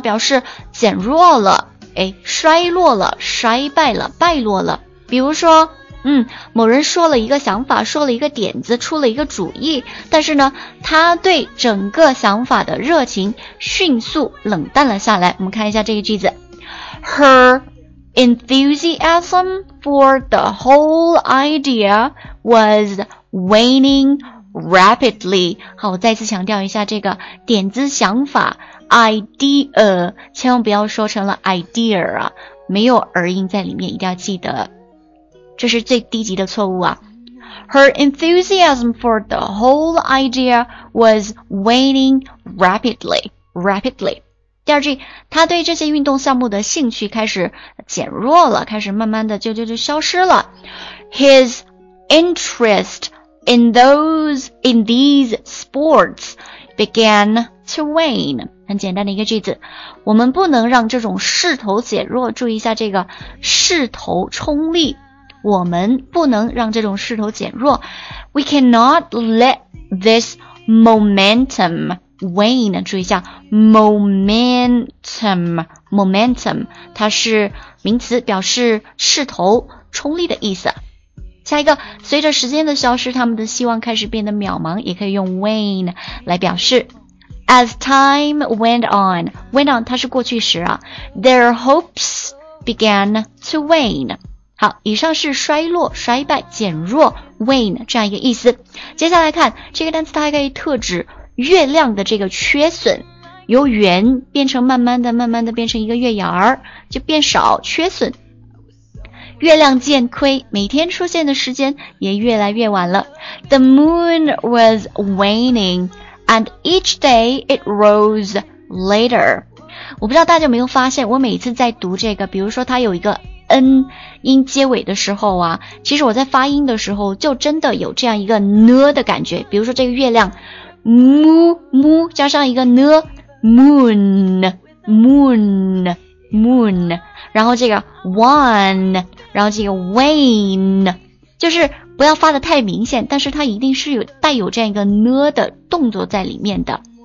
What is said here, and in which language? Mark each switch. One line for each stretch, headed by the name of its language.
Chinese: 表示减弱了，衰落了，衰败了，败落了。比如说，某人说了一个想法，说了一个点子，出了一个主意，但是呢，他对整个想法的热情迅速冷淡了下来。我们看一下这个句子 ，Her。
English: Enthusiasm for the whole idea was waning rapidly.
Chinese: 好，我再次强调一下这个点子想法 idea， 千万不要说成了 idea 啊，没有儿音在里面，一定要记得，这是最低级的错误啊。
English: Her enthusiasm for the whole idea was waning rapidly.
Chinese: 第二句，他对这些运动项目的兴趣开始减弱了，开始慢慢的就消失了。
English: His interest in these sports began to wane。
Chinese: 很简单的一个句子，我们不能让这种势头减弱，注意一下这个势头冲力，我们不能让这种势头减弱。
English: We cannot let this momentum wane，
Chinese: 注意一下 momentum 它是名词，表示势头冲力的意思。下一个，随着时间的消失，他们的希望开始变得渺茫，也可以用 wane 来表示。
English: As time went on
Chinese: 它是过去时啊，
English: their hopes began to wane。
Chinese: 好，以上是衰落、衰败、减弱 wane 这样一个意思。接下来看这个单词，它还可以特指月亮的这个缺损，由圆变成慢慢的变成一个月牙儿，就变少缺损。月亮渐亏，每天出现的时间也越来越晚了。 The moon was waning and each day it rose later。我不知道大家有没有发现，我每次在读这个，比如说它有一个 N 音结尾的时候啊，其实我在发音的时候就真的有这样一个 N 的感觉。比如说这个月亮 mu 加上一个 N， moon， 然后这个 one，然后这个 wane， 就是不要发的太明显，但是它一定是有带有这样一个呢的动作在里面的。